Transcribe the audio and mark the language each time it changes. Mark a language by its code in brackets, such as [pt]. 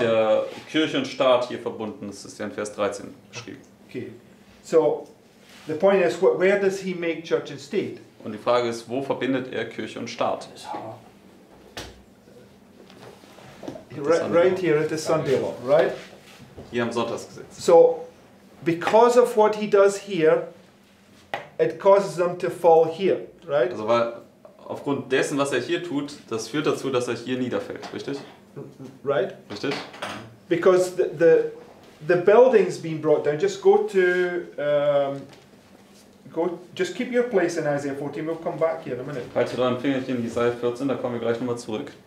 [de] er hat ja Kirche und Staat hier verbunden. Das ist ja in Vers 13 beschrieben. [en] Okay, so the point is, where does he make church and state? [de] Und die Frage ist, wo verbindet er Kirche und Staat? [en] Right here at the Sunday law, right? [de] Hier am Sonntagsgesetz. [en] So, because of what he does here, it causes them to fall here, right? [de] Also weil aufgrund dessen, was er hier tut, das führt dazu, dass er hier niederfällt, richtig? [en] Right. [de] Richtig. [en] Because the building's been brought down. Just go to just keep your place in Isaiah 14. We'll come back here in a minute. [de] Halt dir dein Fingerchen in Isaiah 14. Da kommen wir gleich nochmal zurück.